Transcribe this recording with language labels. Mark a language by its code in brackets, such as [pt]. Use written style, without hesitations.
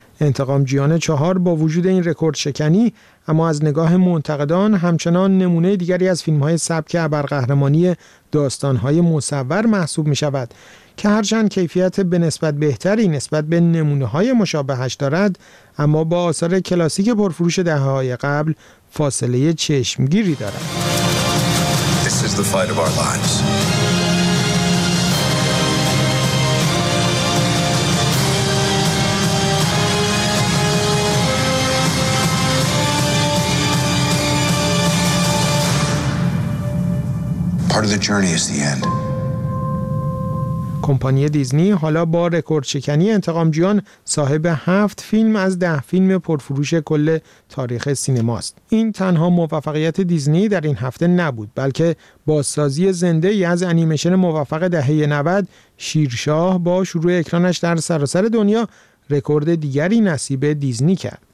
[fa] انتقام جیان 4 با وجود این رکورد شکنی، اما از نگاه منتقدان همچنان نمونه دیگری از فیلم‌های سبک ابرقهرمانی داستان‌های مصور محسوب می‌شود که هرچند کیفیت به نسبت بهتری نسبت به نمونه‌های مشابهش دارد، اما با آثار کلاسیک پرفروش دهه‌های قبل فاصله چشمگیری دارد. [en] This is the fight of our lives. Part of the journey is the end. [fa] کمپانی دیزنی حالا با رکوردشکنی انتقام جویان صاحب 7 فیلم از 10 فیلم پرفروش کل تاریخ سینماست. این تنها موفقیت دیزنی در این هفته نبود، بلکه بازسازی زنده ای از انیمیشن موفق دهه 90 شیرشاه با شروع اکرانش در سراسر دنیا رکورد دیگری نصیب دیزنی کرد.